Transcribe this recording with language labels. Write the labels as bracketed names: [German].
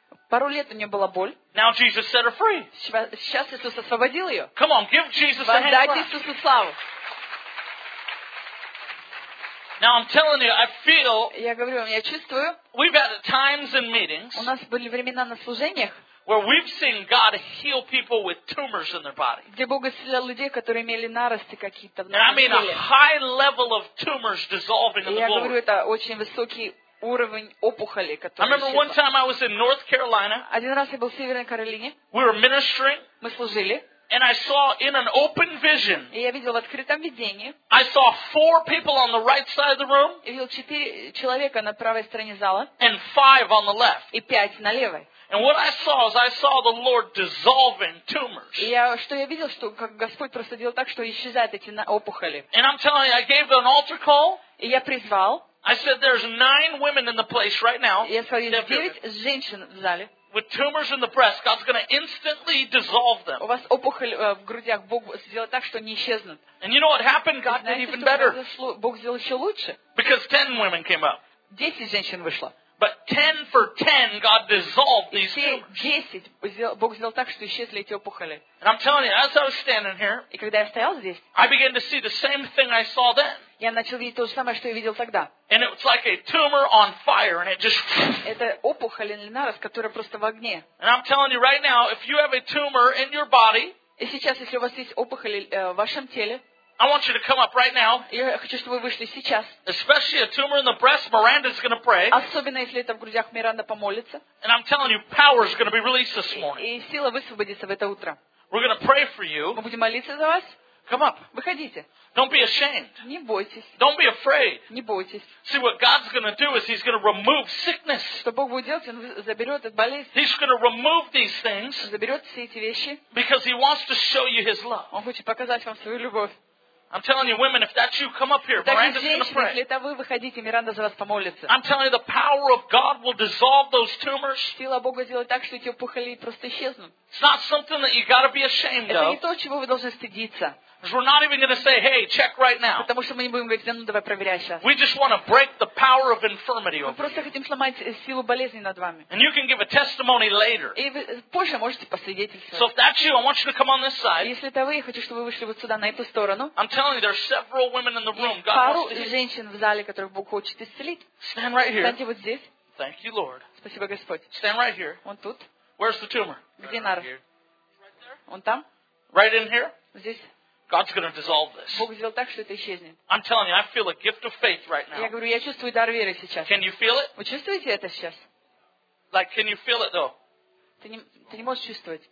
[Russian] Пару лет у нее была боль. [English] Now Jesus set her free. [Russian] Сейчас Иисус освободил ее. [English] Come on, give Jesus a [Russian] hand. Воздайте Иисусу славу. [English] Now I'm telling you, I feel. [Russian] Я говорю вам, я чувствую. [English] We've had times in meetings. [Russian] У нас были времена на служениях. [English] Where we've seen God heal people with tumors in their body. [Russian] Где Бог исцелял людей, которые имели нарости какие-то в теле. [English] And I mean a high level of tumors dissolving in the blood. [Russian] Я говорю, это очень высокий уровень опухоли, который. [English] I remember one time I was in North Carolina. [Russian] Один раз я был в Северной Каролине. [English] We were ministering. [Russian] Мы служили. [English] And I saw in an open vision. [Russian] И я видел в открытом видении. [English] I saw four people on the right side of the room. [Russian] Я видел четыре человека на правой стороне зала. [English] And five on the left. [Russian] И пять на левой. [English] And what I saw is I saw the Lord dissolving tumors. [Russian] Я что я видел, что как Господь просто делал так, что исчезают эти опухоли. [English] And I'm telling you, I gave them an altar call. [Russian] И я призвал. [English] I said there's nine women in the place right now. [Russian] Я сказал, есть девять женщин в зале. [English] With tumors in the breast, God's going to instantly dissolve them. [Russian] У вас опухоль в грудях, Бог сделает так, что они исчезнут. [English] And you know what happened? God did even better. [Russian] Бог сделал еще лучше. [English] Because 10 women came up. [Russian] 10 женщин вышло. [English] But 10 for 10, God dissolved these tumors. [Russian] 10 Бог сделал так, что исчезли эти опухоли. [English] And I'm telling you, as I was standing here, [Russian] и когда я стоял здесь, [English] I began to see the same thing I saw then. [Russian] Я начал видеть то же самое, что я видел тогда. [English] And it was like a tumor on fire, and it just. [Russian] Это опухоль или нарост, которая просто в огне. [English] And I'm telling you right now, if you have a tumor in your body, [Russian] и сейчас, если у вас есть опухоль в вашем теле, [English] I want you to come up right now. [Russian] Я хочу, чтобы вы вышли сейчас. [English] Especially a tumor in the breast, Miranda's going to pray. [Russian] Особенно если это в грудях, Миранда помолится. [English] And I'm telling you, power is going to be released this morning. [Russian] И сила высвободится в это утро. [English] We're going to pray for you. [Russian] Мы будем молиться за вас. [English] Come up. [Russian] Выходите. [English] Don't be ashamed. [Russian] Не бойтесь. [English] Don't be afraid. [Russian] Не бойтесь. [English] See, what God's going to do is He's going to remove sickness. [Russian] Что Бог будет делать, Он заберет эту болезнь. [English] He's going to remove these things. [Russian] Заберет все эти вещи. [English] Because He wants to show you His love. [Russian] Он хочет показать вам свою любовь. [English] I'm telling you, women, if that's you, come up here. Miranda's going to pray. [Russian] Если это вы, выходите, Миранда за вас помолится. [English] I'm telling you, the power of God will dissolve those tumors. [Russian] Сила Бога сделает так, что эти опухоли просто исчезнут. [English] It's not something that you've got to be ashamed of. [Russian] Это не то, чего вы должны стыдиться. [English] Because we're not even going to say, hey, check right now. [Russian] Потому что мы не будем говорить, ну давай проверяй сейчас. [English] We just want to break the power of infirmity over you. [Russian] Мы просто хотим сломать силу болезни над вами. [English] And you can give a testimony later. [Russian] И вы позже можете посвидетельствовать. [English] So if that's you, I want you to come on this side. [Russian] Если это вы, я хочу, чтобы вы вышли вот сюда, на эту сторону. [English] I'm telling you, there are several women in the room. God [Russian] пару женщин в зале, которых Бог хочет исцелить. [English] Stand right here. [Russian] Встаньте вот здесь. [English] Thank you, Lord. [Russian] Спасибо, Господь. Стань [English] right here. [Russian] Он тут. [English] Where's the tumor? [Russian] Где нарост? Он там? [English] Right in here? [Russian] Здесь. [English] God's going to dissolve this. [Russian] Бог сделал так, что это исчезнет. [English] I'm telling you, I feel a gift of faith right now. [Russian] Я говорю, я чувствую дар веры сейчас. [English] Can you feel it? [Russian] Вы чувствуете это сейчас? [English] Like, can you feel it though? [Russian] Ты не можешь чувствовать.